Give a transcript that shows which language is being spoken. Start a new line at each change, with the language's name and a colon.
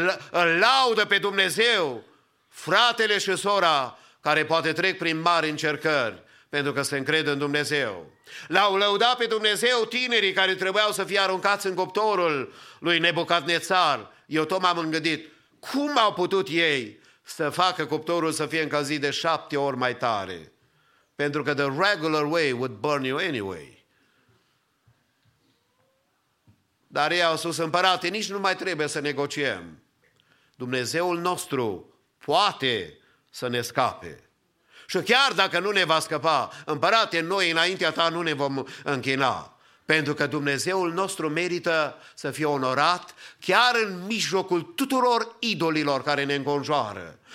Romanian: Îl laudă pe Dumnezeu, fratele și sora, care poate trec prin mari încercări, pentru că se încred în Dumnezeu. L-au lăudat pe Dumnezeu tinerii care trebuiau să fie aruncați în cuptorul lui Nebucadnețar. Eu tot m-am gândit, cum au putut ei să facă cuptorul să fie încălzit de 7 ori mai tare? Pentru că
English: the regular way would burn you anyway.
Romanian: Dar ei au spus, împărate, nici nu mai trebuie să negociem. Dumnezeul nostru poate să ne scape. Și chiar dacă nu ne va scăpa, împărate, noi înaintea ta nu ne vom închina. Pentru că Dumnezeul nostru merită să fie onorat chiar în mijlocul tuturor idolilor care ne înconjoară.